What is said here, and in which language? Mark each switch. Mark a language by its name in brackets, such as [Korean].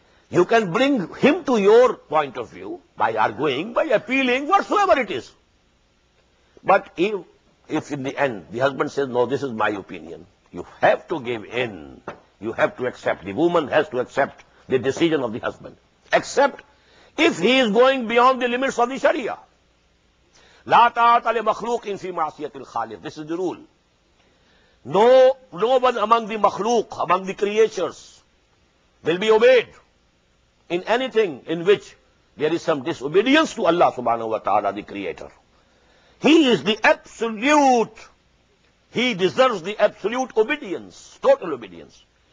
[English] You can bring him to your point of view by arguing, by appealing, whatsoever it is. But if in the end the husband says, no, this is my opinion, you have to give in. You have to accept. The woman has to accept the decision of the husband. Except if he is going beyond the limits of the Sharia. [Arabic] لا تعطى لمخلوقين في معصية الخالق. [English] This is the rule. No one among the makhluq, among the creatures, will be obeyed in anything in which there is some disobedience to Allah subhanahu wa ta'ala, the creator. He is the absolute, he deserves the absolute obedience, total obedience.